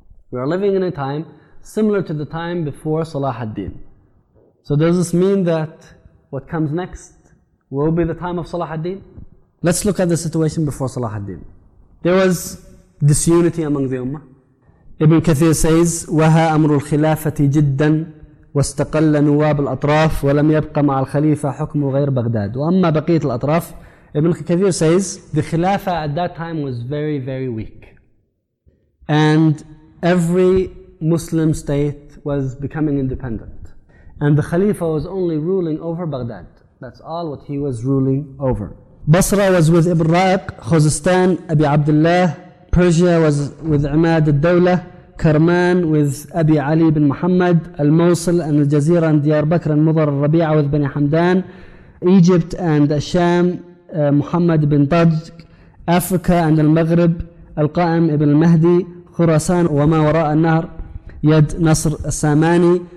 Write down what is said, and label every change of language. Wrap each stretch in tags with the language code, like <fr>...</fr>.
<en>We are living in a time similar to the time before Salah ad-Din. So does this mean that what comes next will be the time of Salah ad-Din? Let's look at the situation before Salah ad-Din. There was disunity among the ummah. Ibn Kathir says,</en> <ar>وَهَا أَمْرُ الْخِلَافَةِ جِدًّا وَاسْتَقَلَّ نُوَابُ الْأَطْرَافِ وَلَمْ يَبْقَ مَعَ الْخَلِيفَةِ حُكْمُ غَيْرِ بَغْدَادِ وَأَمَّا بَقِيَةِ الْأَطْرَافِ.</ar> <en>Ibn Kathir says, the khilafah at that time was very, very weak. And every Muslim state was becoming independent. And the Khalifa was only ruling over Baghdad. That's all what he was ruling over. Basra was with Ibn Ra'iq, Khuzestan, Abi Abdullah, Persia was with Imad al-Dawla, Kerman with Abi Ali ibn Muhammad, Al-Mosul and Al-Jazeera and Diyarbakr and Mudar al-Rabi'ah with Bani Hamdan, Egypt and Asham, Muhammad ibn Tajk, Africa and Al-Maghrib, Al-Qa'im ibn al-Mahdi, Khurasan wa ma wara' al-Nahr, Yad Nasr al-Samani.</en>